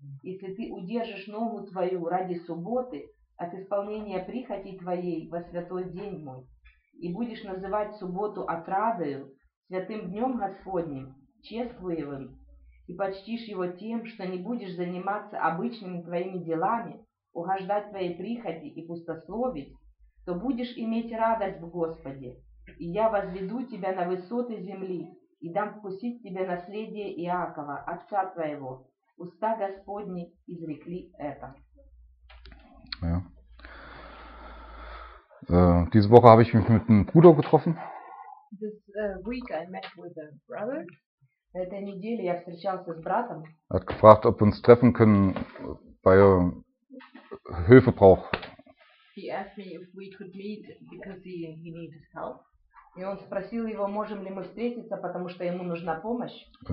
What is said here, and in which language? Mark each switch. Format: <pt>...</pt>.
<ru>Если ты удержишь ногу твою ради субботы от исполнения прихоти твоей во святой день мой, и будешь называть субботу отрадою, святым днем Господним, чествуемым, и почтишь его тем, что не будешь заниматься обычными твоими делами, угождать твоей прихоти и пустословить, то будешь иметь радость в Господе, и я возведу тебя на высоты земли и дам вкусить тебе наследие Иакова, отца твоего. Уста Господни изрекли это.</ru> <de>Diese Woche habe ich mich mit einem Bruder getroffen.</de> <en>This week I met with a brother.</en> <ru>Эта неделя я встречался с братом.</ru> <de>Er hat gefragt, ob wir uns treffen können, weil er Hilfe braucht.</de> <en>He asked me if we could meet because he needed help.</en> <ru>И он спросил его, можем ли мы встретиться, потому что ему нужна помощь.</ru>